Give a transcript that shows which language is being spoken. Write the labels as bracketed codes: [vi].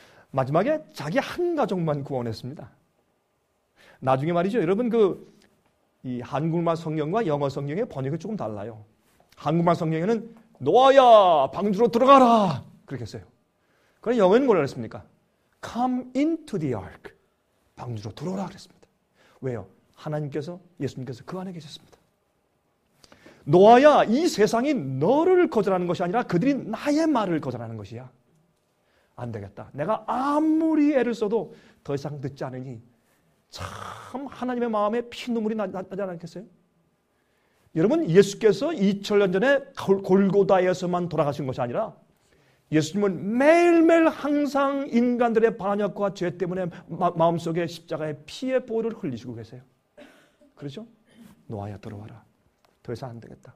[ko] 마지막에 자기 한 가족만 구원했습니다. 나중에 말이죠. 여러분 그이 한국말 성경과 영어 성경의 번역이 조금 달라요. 한국말 성경에는 노아야 방주로 들어가라 그렇게 했어요. 그럼 영어는 뭐라 그랬습니까? [en] Come into the ark [ko] 방주로 들어오라 그랬습니다. 왜요? 하나님께서 예수님께서 그 안에 계셨습니다. 노아야 이 세상이 너를 거절하는 것이 아니라 그들이 나의 말을 거절하는 것이야. 안 되겠다. 내가 아무리 애를 써도 더 이상 듣지 않으니 참 하나님의 마음에 피눈물이 나지 않겠어요? 여러분, 예수께서 2000년 전에 골고다에서만 돌아가신 것이 아니라 예수님은 매일매일 항상 인간들의 반역과 죄 때문에 마음속에 십자가의 피의 보혈을 흘리시고 계세요. 그렇죠? 노아야 돌아와라. 더 이상 안 되겠다.